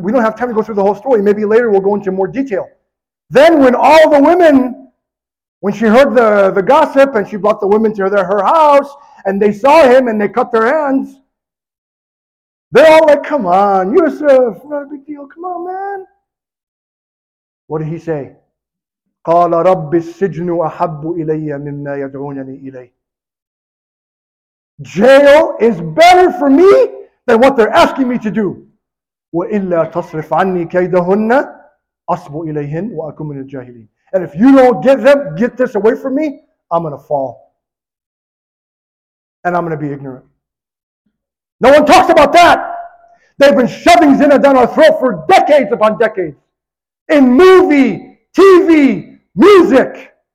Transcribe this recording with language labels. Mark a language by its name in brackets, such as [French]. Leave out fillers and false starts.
[English] We don't have time to go through the whole story. Maybe later we'll go into more detail. Then when all the women, when she heard the gossip and she brought the women to her house and they saw him and they cut their hands, they're all like, come on, Yusuf, not a big deal. Come on, man. What did he say? [Arabic] قال رب السجن أحب إلي مما يدعونني إليه. [English] Jail is better for me than what they're asking me to do. [Arabic] وإلا تصرف عني كيدهن أصب إليهن وأكون من الجاهلين. [English] And if you don't get this away from me, I'm going to fall. And I'm going to be ignorant. No one talks about that. They've been shoving zina down our throat for decades upon decades. In movie, TV, music.